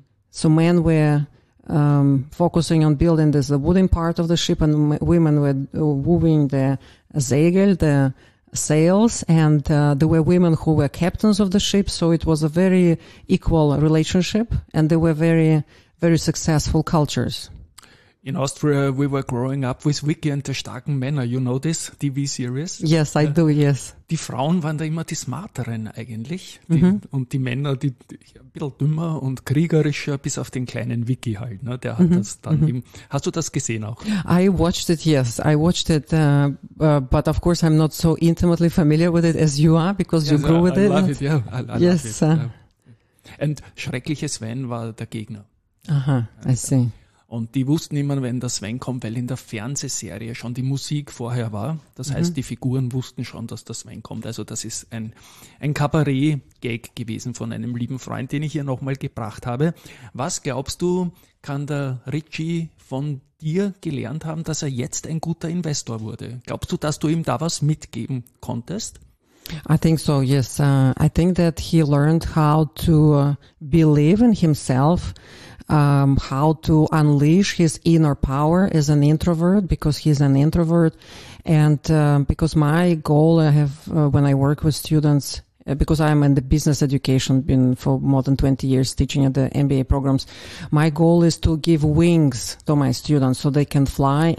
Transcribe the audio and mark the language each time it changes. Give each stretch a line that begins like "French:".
English: So men were focusing on building this the wooden part of the ship, and women were wooing the segel, the sails, and there were women who were captains of the ship, so it was a very equal relationship, and they were very, very successful cultures. In Austria, we were growing up with Vicky and the
German: starken Männer.
English: You know this TV series? Yes, I do, yes.
German: Die Frauen waren da immer die smarteren eigentlich. Die, mm-hmm. Und die Männer, die ein bisschen dümmer und kriegerischer, bis auf den kleinen Vicky halt. Ne? Der hat mm-hmm. das dann mm-hmm. Hast du das gesehen auch?
English: I watched it, yes. I watched it, but of course I'm not so intimately familiar with it as you are, because you grew with it. I love it.
German: And schreckliche Sven war der Gegner.
English: Aha, I see.
German: Und die wussten immer, wenn der Sven kommt, weil in der Fernsehserie schon die Musik vorher war. Das mhm. heißt, die Figuren wussten schon, dass der Sven kommt. Also das ist ein Kabarett-Gag gewesen von einem lieben Freund, den ich hier nochmal gebracht habe. Was glaubst du, kann der Richie von dir gelernt haben, dass er jetzt ein guter Investor wurde? Glaubst du, dass du ihm da was mitgeben konntest?
English: I think so, yes. I think that he learned how to believe in himself, how to unleash his inner power as an introvert, because he's an introvert. And because my goal I have when I work with students, because I'm in the business education, been for more than 20 years teaching at the MBA programs, my goal is to give wings to my students so they can fly.